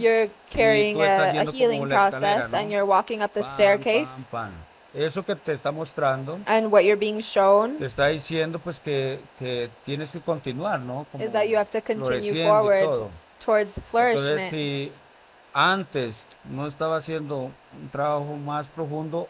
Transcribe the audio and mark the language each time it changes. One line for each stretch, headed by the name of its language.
English: you're carrying a healing process, ¿no? And you're walking up the staircase.
Spanish: Pan. Eso que te está mostrando,
English: and what you're being shown
Spanish: te está diciendo, pues, que tienes que continuar, ¿no?
English: Como is that you have to continue forward towards flourishment.
Spanish: Entonces, si antes no estaba haciendo un trabajo más profundo,